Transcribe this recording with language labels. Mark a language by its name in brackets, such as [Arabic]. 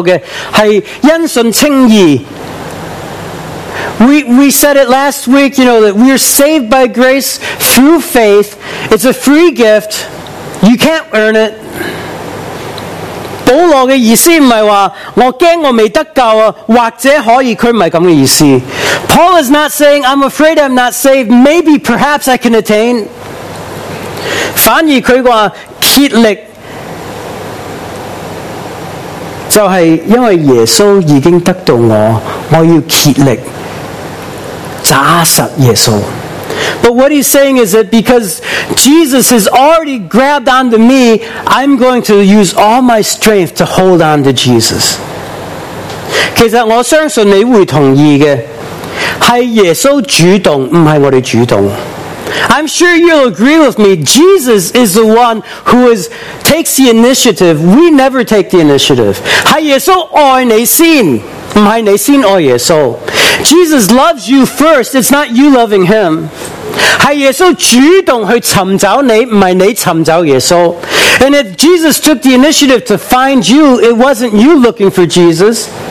[Chinese] 我们上个星期都讲过,福音是免费,是因信得救的,是因信称义。 [English] We said it last week, you know, that we are saved by grace through faith. It's a free gift. You can't earn it. [Chinese] 保罗的意思不是说,我怕我没得救,或者可以,他不是这样的意思。 [English] Paul is not saying, I'm afraid I'm not saved, maybe, perhaps I can attain. [Chinese] 反而他说, 竭力, 就是因为耶稣已经得到我, 我要竭力, 扎实耶稣。 [English] But what he's saying is that because Jesus has already grabbed onto me, I'm going to use all my strength to hold on to Jesus. [Chinese] 其实我相信你会同意的, 是耶稣主动, 不是我们主动。 [English] I'm sure you'll agree with me. Jesus is the one who takes the initiative. We never take the initiative. [Chinese] 是耶稣爱你先,不是你先爱耶稣。 [English] Jesus loves you first. It's not you loving him. [Chinese] 是耶稣主动去寻找你,不是你寻找耶稣。 [English] And if Jesus took the initiative to find you, it wasn't you looking for Jesus.